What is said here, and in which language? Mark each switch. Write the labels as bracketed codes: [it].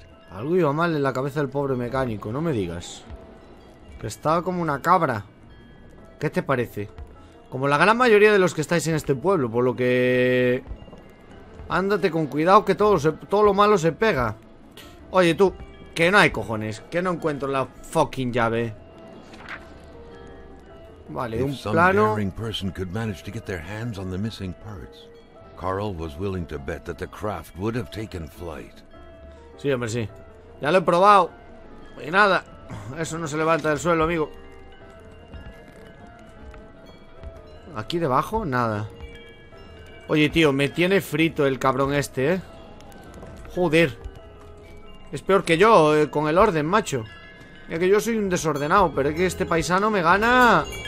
[es] Algo iba mal en la cabeza del pobre mecánico, no me digas. Que estaba como una cabra. ¿Qué te parece? Como la gran mayoría de los que estáis en este pueblo, por lo que... Ándate con cuidado que todo lo malo se pega. Oye, tú, que no hay cojones, que no encuentro la fucking llave. Vale, un plano. Si alguna persona [en] daring could manage to get their hands on the missing parts, Carl was willing to bet that the craft would have taken flight. [es] Sí, hombre, sí. Ya lo he probado. Y nada, eso no se levanta del suelo, amigo. Aquí debajo, nada. Oye, tío, me tiene frito el cabrón este, ¿eh? Joder. Es peor que yo, con el orden, macho. Mira que yo soy un desordenado, pero es que este paisano me gana...